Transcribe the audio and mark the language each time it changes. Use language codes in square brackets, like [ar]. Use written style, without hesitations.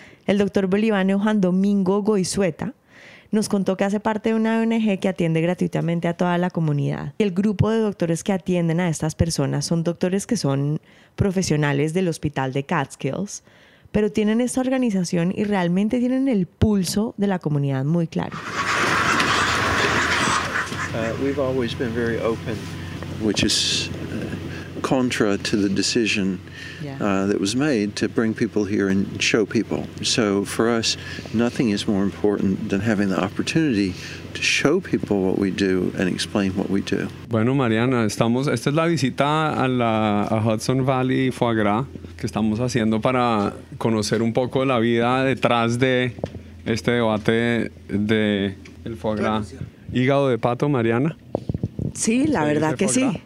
[es] El doctor bolivano Juan Domingo Goizueta nos contó que hace parte de una ONG que atiende gratuitamente a toda la comunidad. El grupo de doctores que atienden a estas personas son doctores que son profesionales del Hospital de Catskills, pero tienen esta organización y realmente tienen el pulso de la comunidad muy claro. [en] We've always been very open, which is contra to the decision that was made to bring people here and show people. So for us, nothing is more important than having the opportunity to show people what we do and explain what we do. [es] Bueno, Mariana, esta es la visita a Hudson Valley Foie Gras que estamos haciendo para conocer un poco la vida detrás de este debate de el foie gras. ¿Hígado de pato, Mariana? Sí, la verdad que sí.